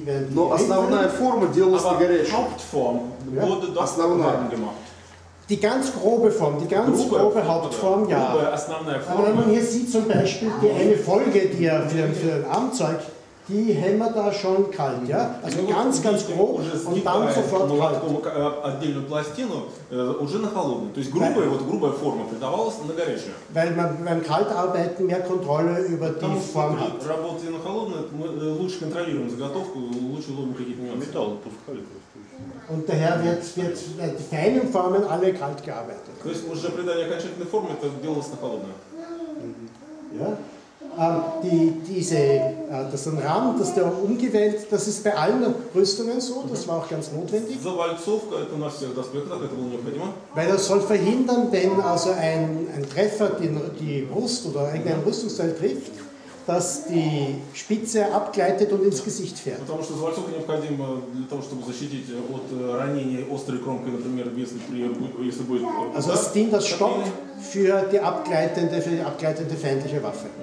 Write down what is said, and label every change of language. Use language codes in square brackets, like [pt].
[ru] Но основная форма делалась на горячую. [de] Hauptform wurde doch [ru] основная. [de] Die ganz grobe Form, die ganz grobe Hauptform, ja. Aber wenn man hier sieht zum Beispiel die eine Folge, die er für den Arm zeigt, die hämmert da schon kalt, ja? Also ganz, ganz grob und dann sofort kalt. [ru] Отдельную пластину уже на холодную. То есть грубая, вот грубая форма придавалась на горячую. [de] Weil man beim Kaltarbeiten mehr Kontrolle über die Form hat. [ru] Работая на холодную, мы лучше контролируем заготовку, лучше ловим какие-то нюансы. Металл отпускали просто. [de] Und daher wird die feinen Formen alle kalt gearbeitet. [ru] То есть уже придание окончательной формы это делалось на холодную. [de] Ja. Das ist ein Rand, das der umgewählt, das ist bei allen Rüstungen so, das war auch ganz notwendig. Weil das soll verhindern, wenn also ein Treffer die Brust oder irgendein Rüstungsteil trifft, dass die Spitze abgleitet und ins Gesicht fährt. [ru] Потому что вальцовка необходима для того, чтобы защитить от ранения острой кромкой, например, если будет. [de] Also es dient als Stopp für die abgleitende feindliche Waffe.